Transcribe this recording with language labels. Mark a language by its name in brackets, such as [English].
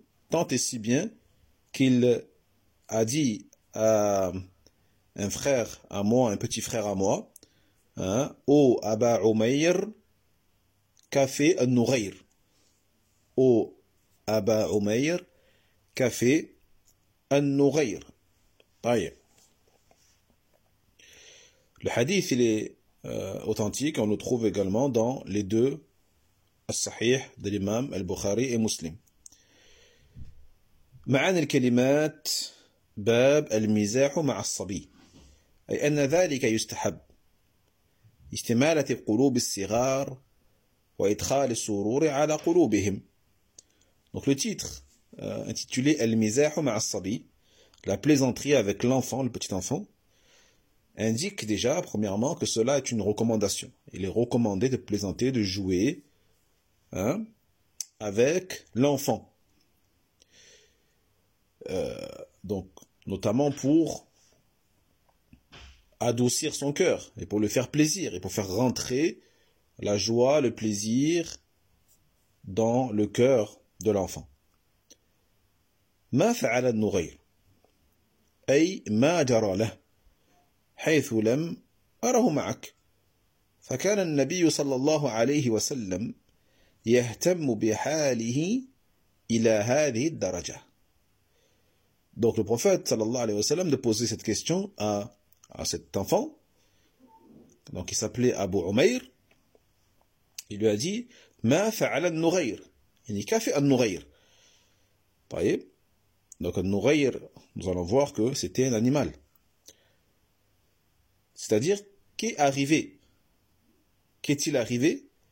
[French] tant et si bien qu'il a dit à un frère à moi, un petit frère à moi, hein, « Oh Aba Umayr, qu'a fait Nourayr ?»« Oh Aba Umayr, qu'a fait Nourayr ?» Le hadith, il est authentique, on le trouve également dans les deux As-Sahih de l'imam Al-Bukhari et Muslim. [Arabic] معنى الكلمات باب المزاح مع الصبي، أي أن ذلك يستحب استمالة قلوب الصغار وإدخال السرور على قلوبهم. [French] Donc le titre intitulé [Arabic] المزاح مع الصبي, [French] la plaisanterie avec l'enfant, le petit enfant, indique déjà premièrement que cela est une recommandation. Il est recommandé de plaisanter, de jouer, hein, avec l'enfant. Donc, notamment pour adoucir son cœur et pour le faire plaisir et pour faire rentrer la joie, le plaisir dans le cœur de l'enfant. [Arabic] ما فعل النغير أي ما جرى له حيث لم أره معك فكان النبي صلى الله عليه وسلم يهتم بحاله إلى هذه الدرجة. [French] Donc le prophète sallallahu alayhi wa sallam de poser cette question à cet enfant, donc il s'appelait Abu Umayr. Il lui a dit: [Arabic] ma fa'ala an-Nughayr, [French] yani qu'a fait an-Nughayr? Donc an-Nughayr, nous allons voir que c'était un animal, c'est-à-dire qu'est-il arrivé